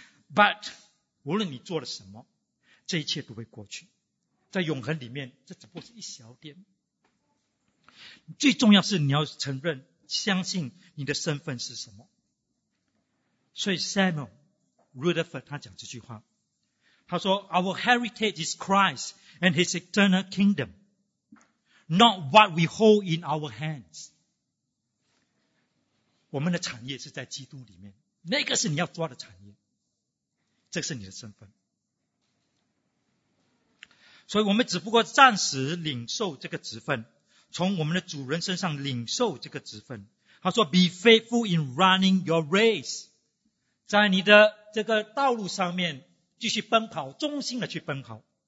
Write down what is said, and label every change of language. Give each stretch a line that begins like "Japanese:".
Chinese: But 无论你做了什么，这一切都会过去，在永恒里面，这只不过是一小点。最重要是你要承认、相信你的身份是什么。所以
English: Samuel Rutherford
Chinese: 他讲这句话，他说
English: ：“Our heritage is Christ and His eternal kingdom, not what we hold in our hands。”
Chinese: 我们的产业是在基督里面，那个是你要抓的产业，这是你的身份。所以我们只不过暂时领受这个职分，从我们的主人身上领受这个职分。他说
English: Be faithful in running your race，
Chinese: 在你的这个道路上面继续奔跑，忠心的去奔跑。